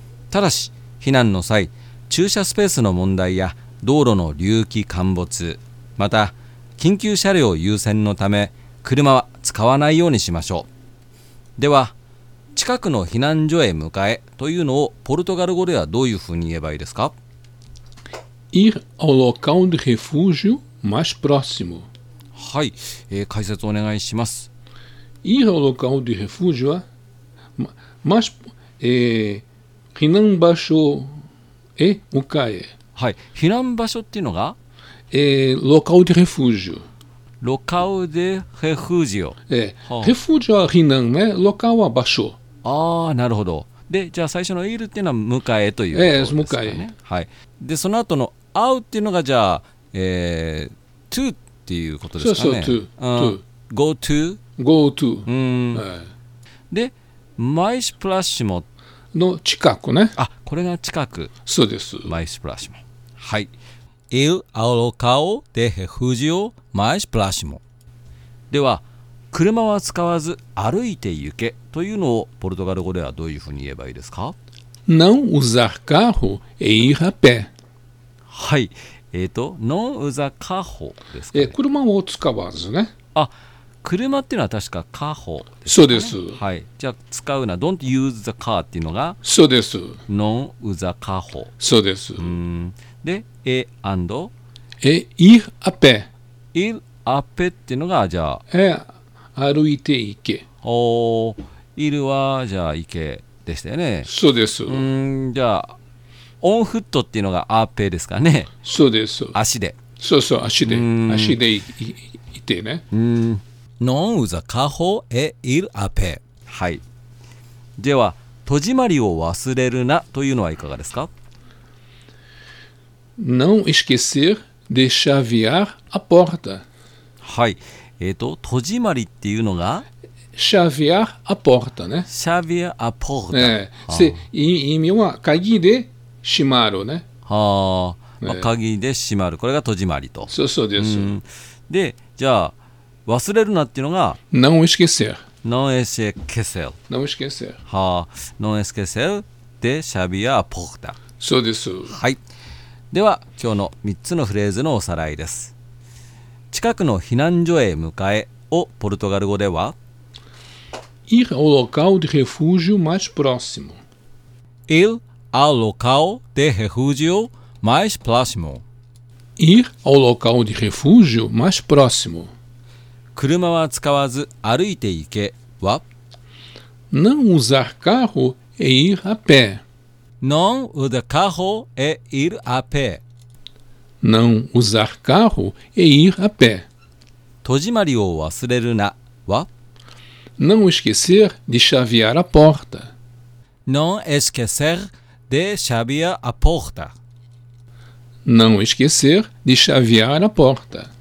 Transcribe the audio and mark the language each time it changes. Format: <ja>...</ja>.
<ja>ただし避難の際、駐車スペースの問題や道路の隆起陥没、また緊急車両優先のため車は使わないようにしましょう。では近くの避難所へ向かえというのをポルトガル語ではどういうふうに言えばいいですか？</ja> <pt>Ir ao local de refúgio mais próximo。</pt> <ja>はい、解説お願いします。</ja> <pt>Ir ao local de refúgio は mais、</pt> <ja>避難場所へ向かえ。はい、避難場所っていうのが、</ja> <pt>local de refúgio。</pt> <ja>ロカウでレフージオ、レフージオは避難ね、ロカウは場所。ああ、なるほど。でじゃあ最初のイールっていうのは迎えというところですかね。はい、でその後のアウっていうのがじゃあ、トゥっていうことですかね。そうそう、トゥ、ゴートゥ、ゴートゥ、でマイスプラッシュモの近くね。あ、これが近く。そうです、マイスプラッシュモ。</ja> <pt>はい、Il ao local de refúgio mais próximo。</pt> <ja>では車は使わず歩いて行けというのをポルトガル語ではどういうふうに言えばいいですか？</ja> <pt>Não usar carro e ir a pé。はい、Não usar carro ですか、</pt> <ja>車を使わずね。あ、車っていうのは確かカホですね。そうです。はい、じゃあ使うな、</ja> <en>Don't use the car</en> <ja>っていうのが、そうです、</ja> <pt>Non usar carro。</pt> <ja>そうです。で、え、アンド、え、イッアペ、イッアペっていうのがじゃあ、歩いて行け。おお、イルはじゃあ行けでしたよね。そうです。んー、じゃあオンフットっていうのがアペですかね。そうです、足で。そうそう、足で、足で行ってね。ノンウザカホエイルアペ。はい、では戸締まりを忘れるなというのはいかがですか？</ja> <pt>Não esquecer de chavear a porta。</pt> <ja>はい、戸締まりっていうのが</ja> <pt>chavear a porta ね。 chavear a porta、</pt> <ja>意味は鍵で閉まるね。はあ、まあ、鍵で閉まる、これが戸締まりと。そうそうです。で、じゃあ忘れるなっていうのが</ja> <pt>Não esquecer。 Não esquecer。 Não esquecer。はあ、Não esquecer de chavear a porta。</pt> <ja>そうです。はい、では今日の3つのフレーズのおさらいです。近くの避難所へ向かえをポルトガル語では</ja> <pt>Ir ao local de refúgio mais próximo。 Ir ao local de refúgio mais próximo。 Ir ao local de refúgio mais próximo。</pt> <ja>車は使わず歩いて行けは</ja> <pt>Não usar carro e ir a pé。 Não usar carro e ir a pé。 Não usar carro e ir a pé。</pt> <ja>閉じまりを忘れるなは</ja> <pt>Não esquecer de chavear a porta。 Não esquecer de chavear a porta。 Não esquecer de chavear a porta。</pt>